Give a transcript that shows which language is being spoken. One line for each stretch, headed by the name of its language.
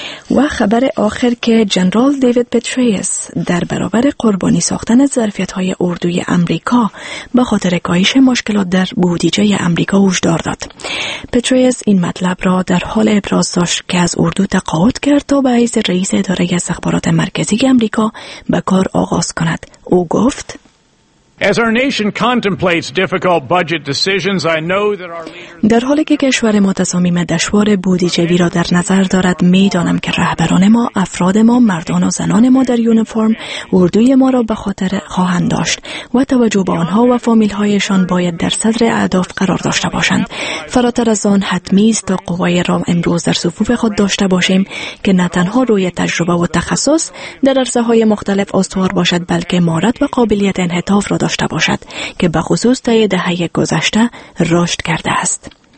Persian: و خبر آخر که جنرال دیوید پتریس در برابر قربانی ساختن ظرفیت‌های اردوی آمریکا به خاطر کاهش مشکلات در بودجه آمریکا هشدار داد. پتریس این مطلب را در حال ابراز داشت که از اردو تقاعد کرد تا به عزل رئیس اداره استخبارات مرکزی آمریکا به کار آغاز کند. او گفت
English: As our nation contemplates difficult budget decisions, I know that our leaders.
Persian: در حالی که کشور ما تصامیم دشوار بودجه را در نظر دارد، می دانم که رهبران ما، افراد ما، مردان و زنان ما در یونیفرم اردوی ما را به خاطر خواهند داشت و توجه به آنها و فامیل هایشان باید در صدر اهداف قرار داشته باشند. فراتر از آن حتمی است تا قوای رام امروز در صفوف خود داشته باشیم که نه تنها روی تجربه و تخصص در عرصه های مختلف استوار باشد، بلکه مهارت و قابلیت انحطاف داشته باشد که به خصوص طی دهه گذشته رشد کرده است.